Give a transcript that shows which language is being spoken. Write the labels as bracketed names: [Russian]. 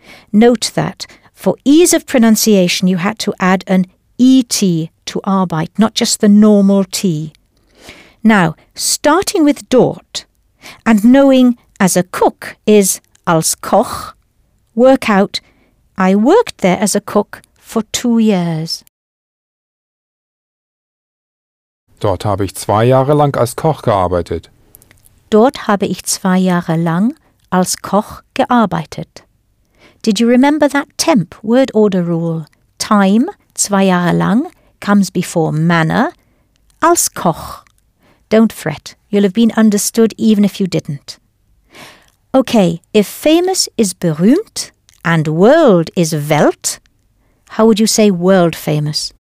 [English] Note that, for ease of pronunciation, you had to add an E-T to Arbeit, not just the normal T. Now, starting with dort, and knowing as a cook is [German] als Koch, [English] work out, I worked there as a cook for 2 years. [German] Dort habe ich 2 Jahre lang als Koch gearbeitet. Dort habe ich 2 Jahre lang als Koch gearbeitet. [English] Did you remember that temp word order rule? Time, [German] 2 Jahre lang, [English] comes before manner, [German] als Koch. [English] Don't fret, you'll have been understood even if you didn't. Okay, if famous is berühmt and world is Welt, how would you say world famous?